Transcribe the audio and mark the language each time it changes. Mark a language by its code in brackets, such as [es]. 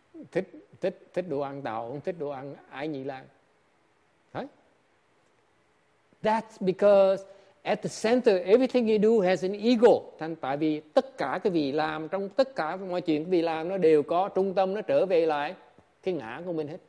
[vi] thích đồ ăn Tàu, không thích đồ ăn Ai Nhĩ Lan. Huh? [en] That's because at the center everything you do has an ego. [vi] Thành tại vì tất cả cái vị làm, trong tất cả mọi chuyện cái vị làm, nó đều có trung tâm, nó trở về lại cái ngã của mình hết.